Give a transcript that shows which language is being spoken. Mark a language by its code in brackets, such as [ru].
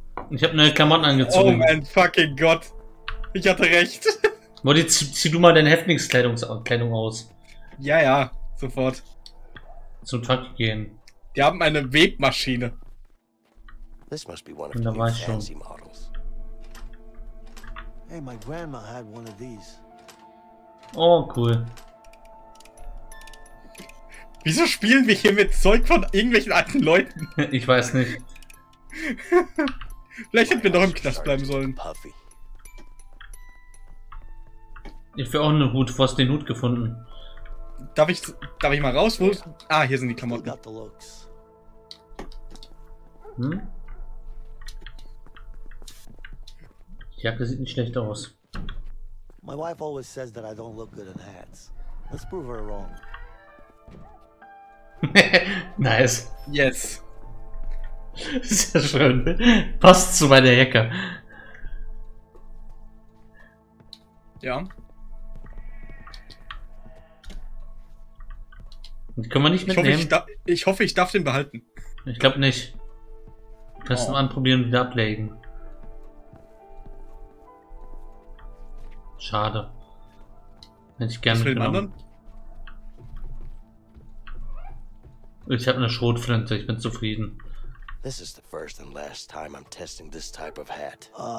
[de] Ich hab neue Klamotten angezogen. Oh mein fucking Gott. Ich hatte recht. Modi, zieh du mal deine Häftlingskleidung aus. Ja, ja, sofort. zum Tag gehen. Die haben eine Webmaschine. [en] This must be one of the fancy models. Hey, my grandma had one of these. Oh, cool. [de] Wieso spielen wir hier mit Zeug von irgendwelchen alten Leuten? Ich weiß nicht. Vielleicht hätten wir doch im Knast bleiben sollen. Puffy. Ich will auch eine Hut. Wo hast du den Hut gefunden? Darf ich mal raus? Wo ist, ah, hier sind die Klamotten. Hm? Die Jacke sieht nicht schlecht aus. [en] My wife always says that I don't look good in hats. Let's prove her wrong. Nice. Yes. [de] Sehr schön. Passt zu meiner Jacke. Ja. Die können wir nicht mitnehmen. Ich hoffe, ich darf den behalten. Ich glaube nicht. Lass ihn mal anprobieren und wieder ablegen. Schade. Hätte ich gerne mitgenommen. Ich habe eine Schrotflinte, ich bin zufrieden. [en] This is the first and last time I'm testing this type of hat.